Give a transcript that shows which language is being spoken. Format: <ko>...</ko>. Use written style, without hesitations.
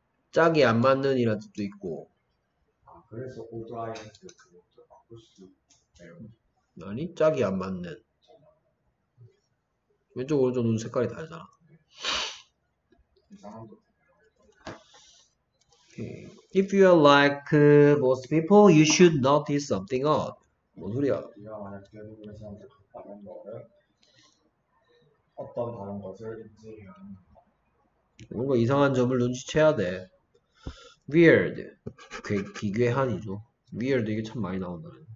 <ko>짝이 안 맞는 이란 뜻도 있고. 그래서 오드라이언트 그것도 바꿀 수도 아니? 짝이 안 맞는. 왼쪽, 오른쪽 눈 색깔이 다르잖아. 이상한 거.</ko> <en>If you are like most people, you should notice something odd.</en> <ko>뭔 소리야? 네가 만약 대부분의 사람들 같다는 거를 어떤 다른 것을 인지하는 뭔가 이상한 점을 눈치채야 돼. Weird. 기괴한이죠. Weird 이게 참 많이 나온다.</ko>